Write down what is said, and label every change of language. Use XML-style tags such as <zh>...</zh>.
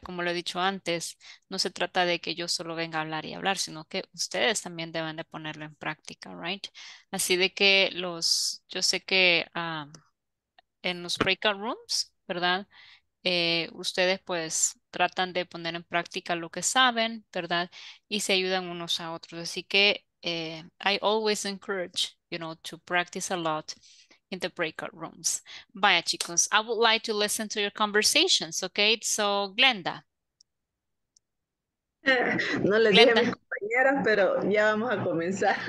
<es>Como lo he dicho antes, no se trata de que yo solo venga a hablar y hablar, sino que ustedes también deben de ponerlo en práctica, right? Así de que los, yo sé que... en los breakout rooms, ¿verdad? Ustedes pues tratan de poner en práctica lo que saben, ¿verdad? Y se ayudan unos a otros. Así que</es> <en>I always encourage, you know, to practice a lot in the breakout rooms.</en> <es>Vaya, chicos,</es> <en>I would like to listen to your conversations, okay? So, Glenda.</en> <es>No les Glenda. Dije a mis compañeras, pero ya vamos a comenzar.</es>